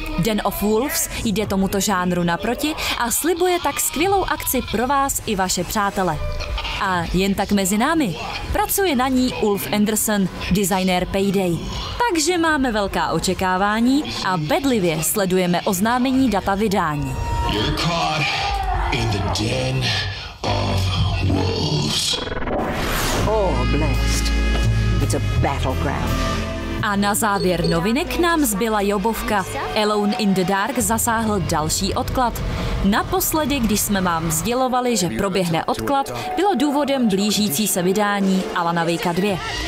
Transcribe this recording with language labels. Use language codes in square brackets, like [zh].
[cs] Den of Wolves jde tomuto žánru naproti a slibuje tak skvělou akci pro vás i vaše přátele. A jen tak mezi námi, pracuje na ní Ulf Andersen, designér Payday. Takže máme velká očekávání a bedlivě sledujeme oznámení data vydání. [en] You're caught in the den of wolves. Oh, blessed. It's a battleground. [cs] A na závěr novinek nám zbyla jobovka. Alone in the Dark zasáhl další odklad. Naposledy, když jsme vám sdělovali, že proběhne odklad, bylo důvodem blížící se vydání Alana Wake 2.